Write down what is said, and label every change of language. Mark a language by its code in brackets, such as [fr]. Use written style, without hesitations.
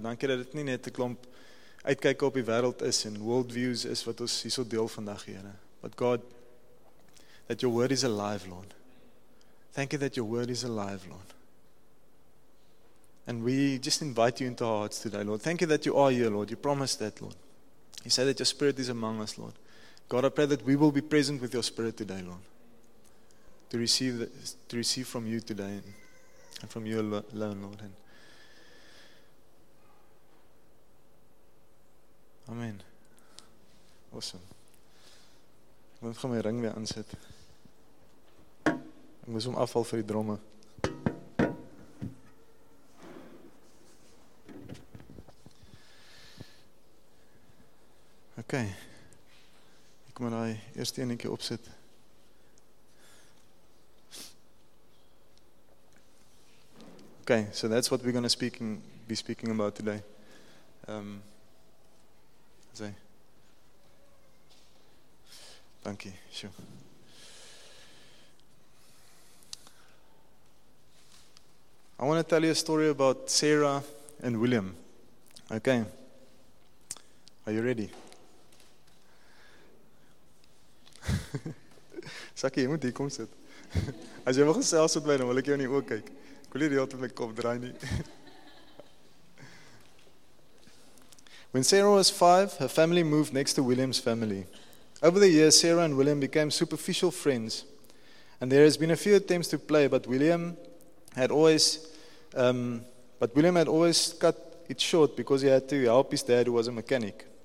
[af] Dankie dat dit nie net 'n klomp uitkyk op die wêreld is en world views is wat ons hierso deel vandag, Here. [en] But God, that your word is alive, Lord. Thank you that your word is alive, Lord. And we just invite you into our hearts today, Lord. Thank you that you are here, Lord. You promised that, Lord. You said that your spirit is among us, Lord. God, I pray that we will be present with your spirit today, Lord, to receive from you today and from you alone, Lord. And amen. Awesome. [af] Ek moet gaan my ring weer aansit. Ek moet hom afhaal vir die dromme. Okay. Ek moet daai eerste eenetjie opsit. [en] Okay, so that's what we're going to be speaking about today. [af] Dankie, sjoe. [en] I want to tell you a story about Sarah and William. Okay. Are you ready? [af] Sakkie, jy moet hier kom sit. As jy wil gesels met my, dan wil ek jou nie oog kyk. Ek wil nie die hele tyd met my kop draai nie. [en] When Sarah was 5, her family moved next to William's family. Over the years, Sarah and William became superficial friends. And there has been a few attempts to play, but William had always cut it short because he had to help his dad, who was a mechanic.